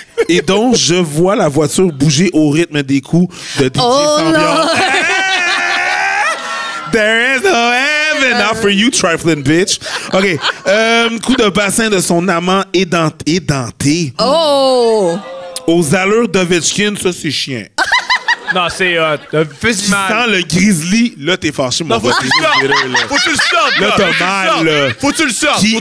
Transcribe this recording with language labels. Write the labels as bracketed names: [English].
[French] Et donc, je vois la voiture bouger au rythme des coups de DJ Sambion. [English] There is no heaven not for you, trifling bitch. [French] OK. Coup de bassin de son amant édenté. Oh! Aux allures d'Ovechkin, ça, c'est chien. Non, c'est physiquement. Tu sens le grizzly, là, t'es fâché, mon gars. Faut-tu le sortir, là? Faut-tu le sortir, là? T'as mal, là. Faut-tu le sortir?